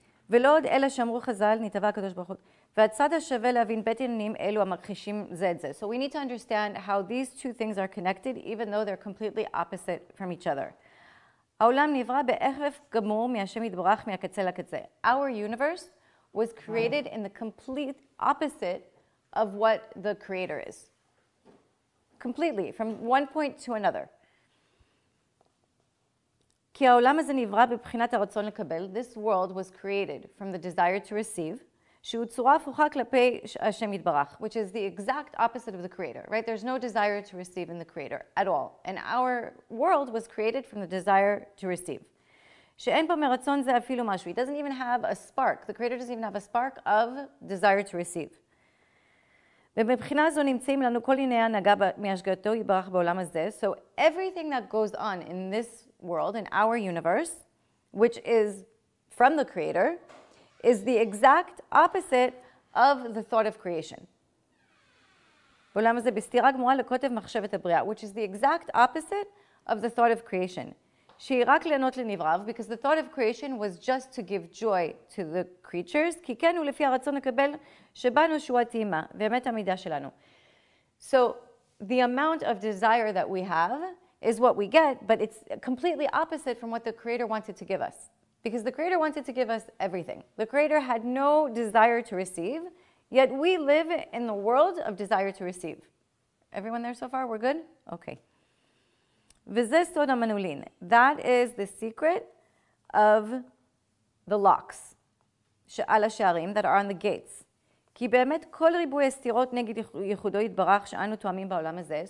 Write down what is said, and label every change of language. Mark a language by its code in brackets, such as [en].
[he] ולא עוד אלה שאמרו חז"ל, נתבע הקדוש ברוך הוא. והצד השווה להבין בית עניינים אלו המכחישים זה את זה. [en] So we need to understand how these two things are connected, even though they're completely opposite from each other. [he] העולם נברא בהחלף גמור מהשם יתברך מהקצה לקצה. [en] Our universe was created in the complete opposite of what the creator is. Completely, from one point to another. [he] כי העולם הזה נברא בבחינת הרצון לקבל. [en] This world was created from the desire to receive, [he] שהוא צורה הפוכה כלפי השם יתברך, [en] which is the exact opposite of the creator, right? There's no desire to receive in the creator at all. And our world was created from the desire to receive. [he] שאין פה מרצון זה אפילו משהו. [en] He doesn't even have a spark. The creator doesn't even have a spark of desire to receive. [he] ומבחינה זו נמצאים לנו כל עיני הנהגה מהשגתו יתברך בעולם הזה. [en] So everything that goes on in this world, in our universe, which is from the creator, is the exact opposite of the thought of creation. [he] בעולם הזה בסתירה גמורה לקוטב מחשבת הבריאה, [en] which is the exact opposite of the thought of creation. [he] שהיא רק ליהנות לנבריו, [en] because the thought of creation was just to give joy to the creatures, [he] כי כן הוא לפי הרצון לקבל שבנו שהוא הטעימה, באמת המידה שלנו. [en] So the amount of desire that we have is what we get, but it's completely opposite from what the creator wanted to give us. Because the creator wanted to give us everything. The creator had no desire to receive, yet we live in the world of desire to receive. Everyone there so far? We're good? Okay. [he] וזה סוד המנעולין. [en] That is the secret of the locks [he] שעל השערים, [en] that are on the gates. [he] כי באמת כל ריבוי הסתירות נגד ייחודו יתברך שאנו תואמים בעולם הזה.